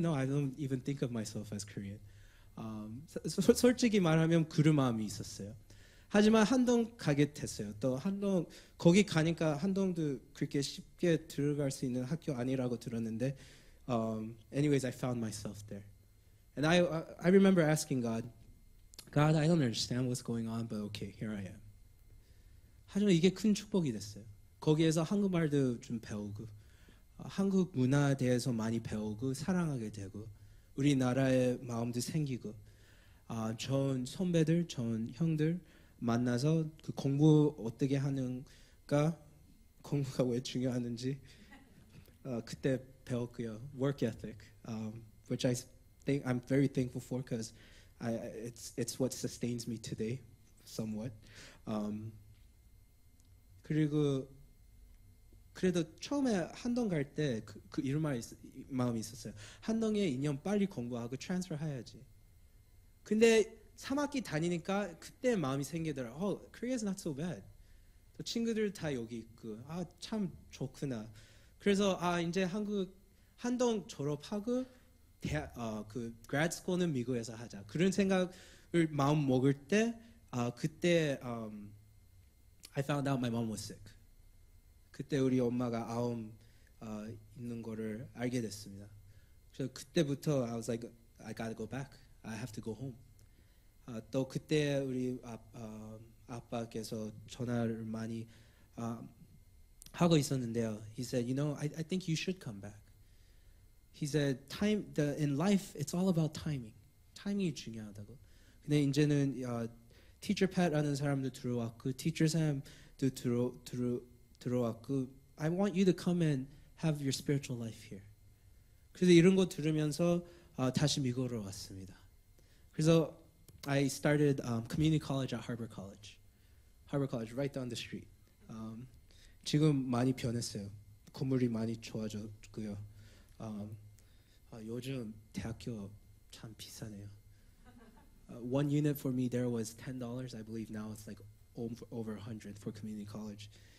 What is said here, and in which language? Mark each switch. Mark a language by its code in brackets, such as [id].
[en] No, I don't even think of myself as Korean. [ko] 솔직히 말하면 그런 마음이 있었어요. 하지만 한동 가게 됐어요. 또 한동 거기 가니까 한동도 그렇게 쉽게 들어갈 수 있는 학교 아니라고 들었는데 [en] anyways, I found myself there. And I remember asking God, God, I don't understand what's going on, but okay, here I am. [ko] 하지만 이게 큰 축복이 됐어요. 거기에서 한국말도 좀 배우고 한국 문화에 대해서 많이 배우고 사랑하게 되고 우리나라의 마음도 생기고 전 선배들, 전 형들 만나서 그 공부 어떻게 하는가 공부가 왜 중요하는지 그때 배웠고요. [en] Work ethic, which I think I'm very thankful for because it's what sustains me today somewhat. [ko] 그리고 그래도 처음에 한동 갈 때 그 이런 마음이 있었어요. 한동에 2년 빨리 공부하고 트랜스퍼 해야지. 근데 3학기 다니니까 그때 마음이 생기더라. [en] Oh, Korea's not so bad. [ko] 또 친구들 다 여기 있고 아 참 좋구나. 그래서 아 이제 한국 한동 졸업하고 그 grad school는 미국에서 하자. 그런 생각을 마음 먹을 때 그때 [en] I found out my mom was sick. [ko] 그때 우리 엄마가 아움 있는 거를 알게 됐습니다. 그래서 그때부터 [en] I was like, I gotta go back. I have to go home. [ko] 또 그때 우리 아빠께서 전화를 많이 하고 있었는데요. [en] He said, you know, I think you should come back. He said, in life, it's all about timing. [ko] Timing이 중요하다고. 근데 이제는 teacher pet라는 사람도 들어왔고, teacher Sam도 들어왔고, [en] I want you to come and have your spiritual life here. [ko] 그래서 이런 거 들으면서 다시 미국으로 왔습니다. 그래서 [en] I started community college at Harbor College. Harbor College, right down the street. [ko] 지금 많이 변했어요. 건물이 많이 좋아졌고요. 요즘 대학교 참 비싸네요. [en] One unit for me there was $10. I believe now it's like over 100 for community college.